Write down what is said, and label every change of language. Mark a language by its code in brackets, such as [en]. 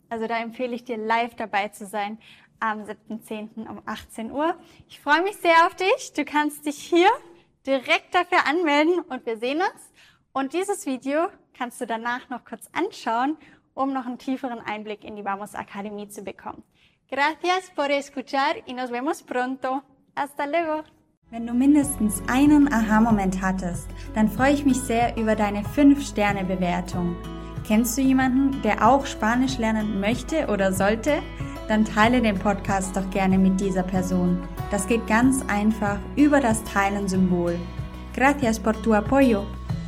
[de] Also da empfehle ich dir, live dabei zu sein am 7.10. um 18 Uhr. Ich freue mich sehr auf dich. Du kannst dich hier direkt dafür anmelden und wir sehen uns. Und dieses Video kannst du danach noch kurz anschauen, um noch einen tieferen Einblick in die Vamos Akademie zu bekommen. [es] Gracias por escuchar y nos vemos pronto. Hasta luego. [de] Wenn du mindestens einen Aha-Moment hattest, dann freue ich mich sehr über deine 5-Sterne-Bewertung. Kennst du jemanden, der auch Spanisch lernen möchte oder sollte? Dann teile den Podcast doch gerne mit dieser Person. Das geht ganz einfach über das Teilen-Symbol. [es] Gracias por tu apoyo.